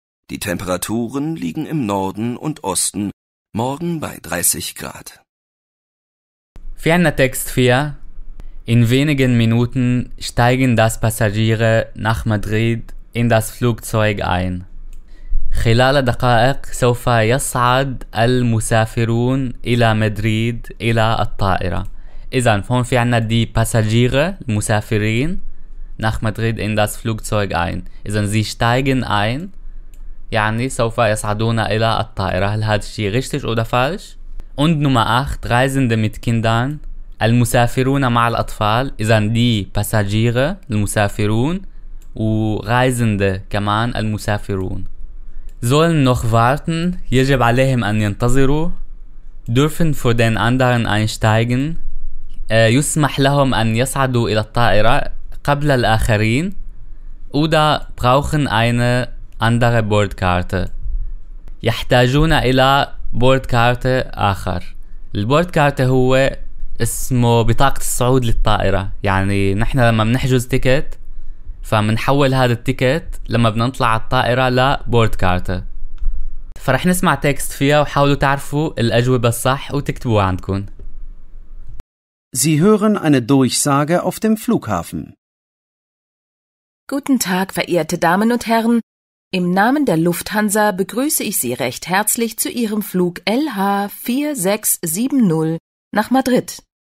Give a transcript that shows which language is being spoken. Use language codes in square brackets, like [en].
[de] Die Temperaturen liegen im Norden und Osten morgen bei 30 Grad. Ferner Text 4. In wenigen Minuten steigen das Passagiere nach Madrid in das Flugzeug ein. [ar] خلال دقائق سوف يصعد المسافرون إلى مدريد إلى الطائرة. إذن هون في عنا دي [de] passagiere المسافرين nach Madrid in das Flugzeug ein. [ar] إذن [de] sie steigen ein, [ar] يعني سوف يصعدون إلى الطائرة. هل هذا الشيء [de] richtig oder falsch? Und Nummer 8, Reisende mit Kindern. [ar] المسافرون مع الأطفال. إذن دي passagiere المسافرون وreisende كمان المسافرون. [de] Sollen noch warten, [ar] يجب عليهم أن ينتظروا, [de] dürfen vor den anderen einsteigen, [ar] يسمح لهم أن يصعدوا إلى الطائرة قبل الآخرين, [de] oder brauchen eine andere Bordkarte, [ar] يحتاجون إلى بوردكارت آخر. البوردكارت هو اسمه بطاقة الصعود للطائرة. يعني نحن لما بنحجز تيكت فمنحول هذا التيكت لما بنطلع على الطائرة لبورد كارت. فرح نسمع تيكست فيها وحاولوا تعرفوا الأجوبة الصح وتكتبوها عندكم. [de] Sie hören eine Durchsage auf dem Flughafen. Guten Tag, verehrte Damen und Herren. Im Namen der Lufthansa begrüße ich Sie recht herzlich zu Ihrem Flug LH4670 nach Madrid.